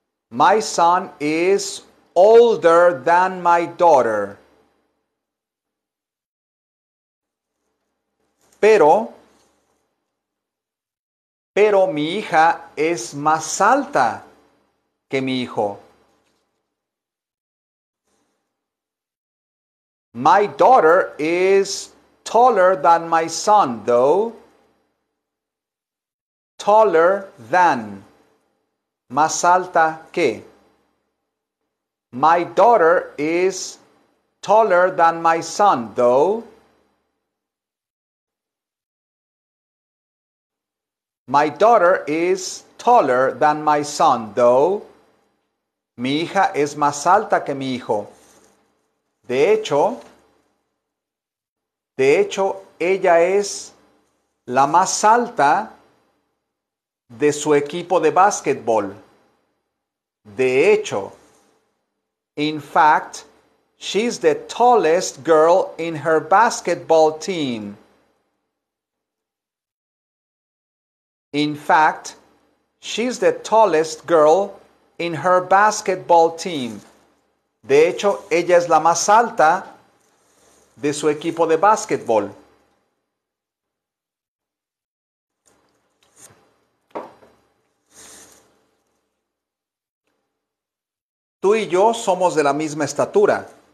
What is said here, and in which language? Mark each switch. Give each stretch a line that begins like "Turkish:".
English: My son is older than my daughter.
Spanish: Pero mi hija es más alta que mi hijo.
English: My daughter is taller than my son, though. Taller than.
Spanish: Más alta que.
English: My daughter is taller than my son, though. My daughter is taller than my son, though.
Spanish: Mi hija es más alta que mi hijo. De hecho, ella es la más alta de su equipo de básquetbol. De hecho,
English: in fact, she's the tallest girl in her basketball team. In fact, she's the tallest girl in her basketball team.
Spanish: De hecho, ella es la más alta de su equipo de básquetbol. Tú y yo somos de la misma estatura.